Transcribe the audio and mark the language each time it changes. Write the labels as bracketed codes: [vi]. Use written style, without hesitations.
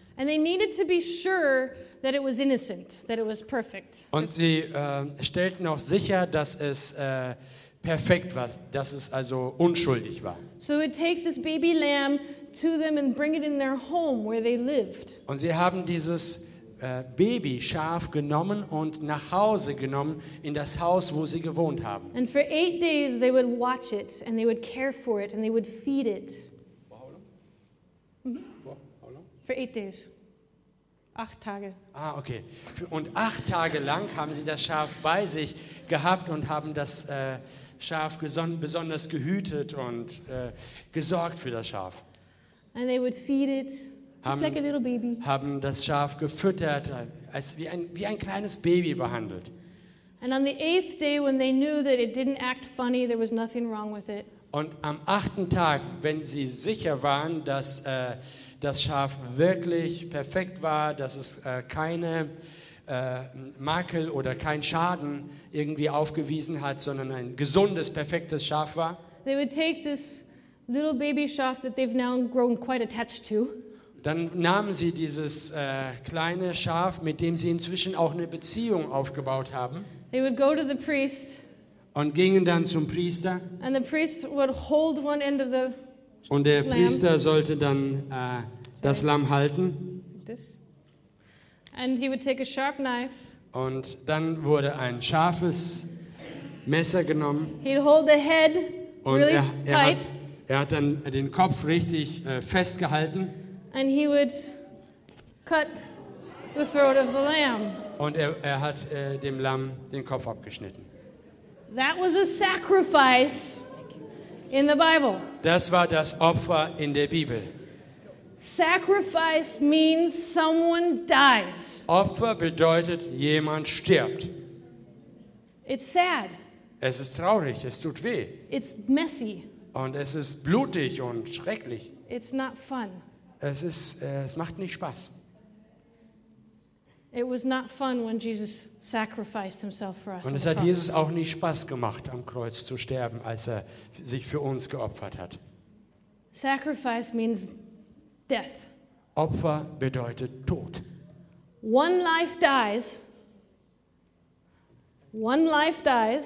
[en] And they needed to be sure that it was innocent, that it was perfect. [de] Und sie stellten auch sicher, dass es perfekt war, dass es also unschuldig war. [en] So they take this baby lamb to them and bring it in their home where they lived. [de] Und sie haben dieses Babyschaf genommen und nach Hause genommen in das Haus, wo sie gewohnt haben. [en] And for 8 days they would watch it and they would care for it and they would feed it. [de] Für 8 [en] days. [de] 8 Tage. [en] Ah, okay. [de] Und 8 Tage lang haben sie das Schaf bei sich gehabt und haben das Schaf besonders gehütet und gesorgt für das Schaf. [en] And they would feed it. [de] Haben, [en] just like a little baby. [de] Haben das Schaf gefüttert, als wie ein kleines Baby behandelt. [en] And on the 8th day, when they knew that it didn't act funny, there was nothing wrong with it. [de] Und am 8. Tag, wenn sie sicher waren, dass das Schaf wirklich perfekt war, dass es keine Makel oder kein Schaden irgendwie aufgewiesen hat, sondern ein gesundes, perfektes Schaf war, [en] they would take this little baby schaf that they've now grown quite attached to. [de] Dann nahmen sie dieses kleine Schaf, mit dem sie inzwischen auch eine Beziehung aufgebaut haben. [en] They would go to the priest. [de] Und gingen dann zum Priester. [en] And the priest would hold one end of the [de] und der Priester sollte dann das Lamm halten. [en] This. And he would take a sharp knife. [de] Und dann wurde ein scharfes Messer genommen. [en] He'd hold the head [de] und [en] really tight. [de] Er hat dann den Kopf richtig festgehalten. [en] And he would cut the throat of the lamb. [de] Und er hat dem Lamm den Kopf abgeschnitten. [en] That was a sacrifice in the Bible. [de] Das war das Opfer in der Bibel. [en] Sacrifice means someone dies. [de] Opfer bedeutet, jemand stirbt. [en] It's sad. [de] Es ist traurig, es tut weh. [en] It's messy. [de] Und es ist blutig und schrecklich. [en] It's not fun. [de] Es macht nicht Spaß. [en] It was not fun when Jesus sacrificed himself for us. [de] Und es hat Jesus auch nicht Spaß gemacht, am Kreuz zu sterben, als er sich für uns geopfert hat. [en] Sacrifice means death. [de] Opfer bedeutet Tod. [en] One life dies. One life dies.